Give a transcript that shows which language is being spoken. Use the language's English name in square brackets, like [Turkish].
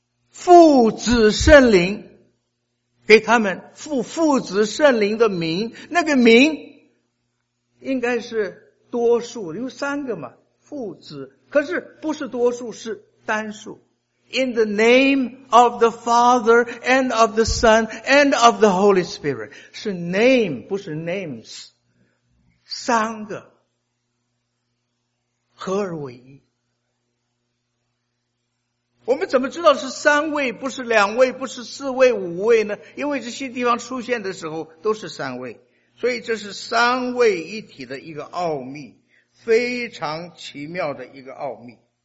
[Chinese] 父子圣灵给他们，父子圣灵的名，那个名应该是多数，有三个嘛，父子，可是不是多数，是单数。 [English] In the name of the Father and of the Son and of the Holy Spirit， [Chinese] 是 name 不是 names， 三个合而为一。我们怎么知道是三位不是两位不是四位五位呢？因为这些地方出现的时候都是三位，所以这是三位一体的一个奥秘，非常奇妙的一个奥秘。